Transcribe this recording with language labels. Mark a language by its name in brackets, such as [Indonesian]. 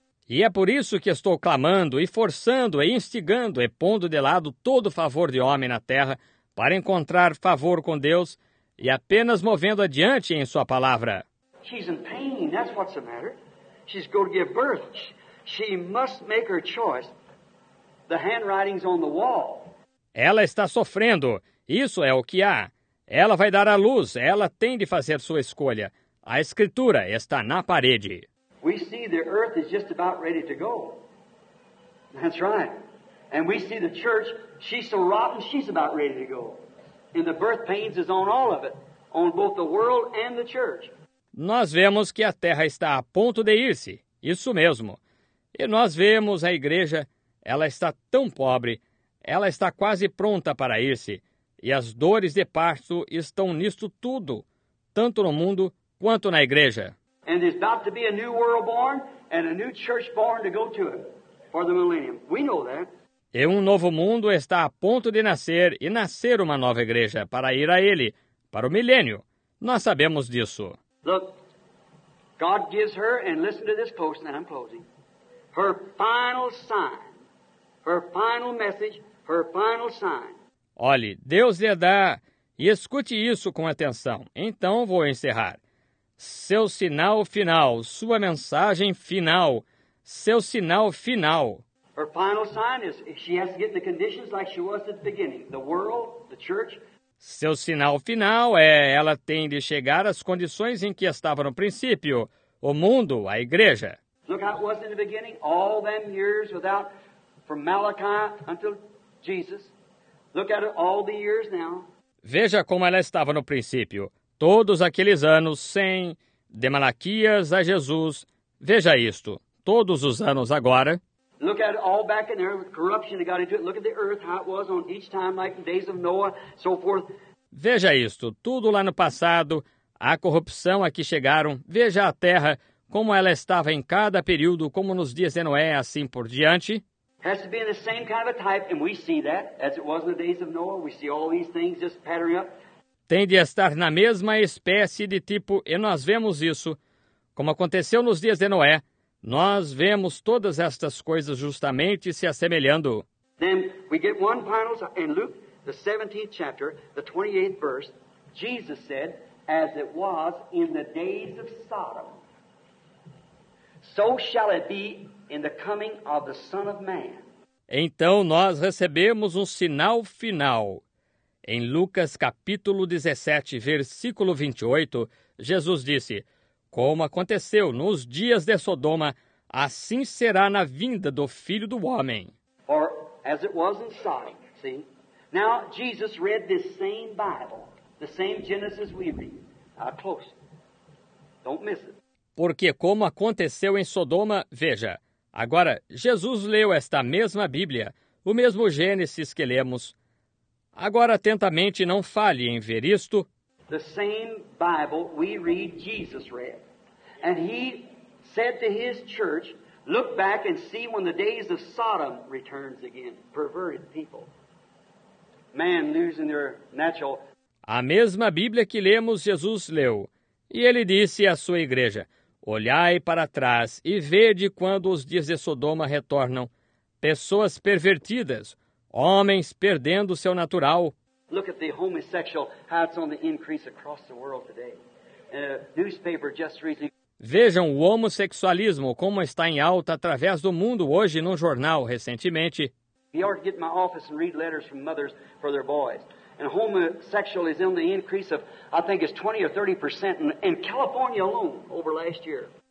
[Portuguese] E é por isso que estou clamando e forçando e instigando e pondo de lado todo favor de homem na terra para encontrar favor com Deus e apenas movendo adiante em sua palavra. [English] She's in pain, that's what's the matter. She's going to give birth. She must make her choice. The handwriting's on the wall. [Portuguese] Ela está sofrendo. Isso é o que há. Ela vai dar à luz. Ela tem de fazer sua escolha. A escritura está na parede. [English] We see the earth is just about ready to go. That's right. And we see the church, she's so rotten, she's about ready to go. And the birth pains is on all of it, on both the world and the church. [Portuguese] Nós vemos que a terra está a ponto de ir-se, isso mesmo. E nós vemos a igreja, ela está tão pobre, ela está quase pronta para ir-se. E as dores de parto estão nisto tudo, tanto no mundo quanto na igreja. [English] And there's about to be a new world born and a new church born to go to it for the millennium. We know that. [Portuguese] E um novo mundo está a ponto de nascer e nascer uma nova igreja para ir a ele, para o milênio. Nós sabemos disso. [English] Look, God gives her, and listen to this close, and I'm closing, her final sign, her final message, her final sign. [Portuguese] Olhe, Deus lhe dá, e escute isso com atenção, então vou encerrar. Seu sinal final, sua mensagem final, seu sinal final. [English] Her final sign is she has to get in the conditions like she was at the beginning, the world, the church. [Portuguese] Seu sinal final é ela tem de chegar às condições em que estava no princípio, o mundo, a igreja. [English] Look how it was in the beginning, all them years without, from Malachi until Jesus. Look at it all the years now. [Portuguese] Veja como ela estava no princípio, todos aqueles anos sem, de Malaquias a Jesus. Veja isto, todos os anos agora. [English] Look at it all back in there, corruption that got into it. Look at the earth, how it was on each time, like the days of Noah, so forth. [Portuguese] Veja isto, tudo lá no passado, a corrupção a que chegaram. Veja a terra, como ela estava em cada período, como nos dias de Noé, assim por diante. [English] Has to be in the same kind of type, and we see that, as it was in the days of Noah. We see all these things just pattering up. [Portuguese] Tem de estar na mesma espécie de tipo, e nós vemos isso, como aconteceu nos dias de Noé. Nós vemos todas estas coisas justamente se assemelhando. [English] Then we get one final in Luke, the 17th chapter, the 28th verse. Jesus said, as it was in the days of Sodom, so shall it be in the coming of the Son of Man. [Portuguese] Então nós recebemos um sinal final. Em Lucas capítulo 17, versículo 28, Jesus disse, como aconteceu nos dias de Sodoma, assim será na vinda do Filho do Homem. [English] Or, as it was in Sodom, see? Now, Jesus read this same Bible, the same Genesis we read. Close. Don't miss it. [Portuguese] Porque como aconteceu em Sodoma, veja. Agora, Jesus leu esta mesma Bíblia, o mesmo Gênesis que lemos. Agora, atentamente, não fale em ver isto. [English] The same Bible we read, Jesus read. And he said to his church, look back and see when the days of Sodom returns again. Perverted people. Man losing their natural. [Portuguese] A mesma Bíblia que lemos, Jesus leu. E ele disse à sua igreja, olhai para trás e vede quando os dias de Sodoma retornam. Pessoas pervertidas, homens perdendo seu natural. [English] Look at the homosexual, how it's on the increase across the world today. Newspaper just recently. [Portuguese] Vejam o homossexualismo como está em alta através do mundo hoje num jornal recentemente. [English] You ought to get in my office and read letters from mothers for their boys. And homosexual is on the increase of, I think it's 20 or 30% in California alone over last year.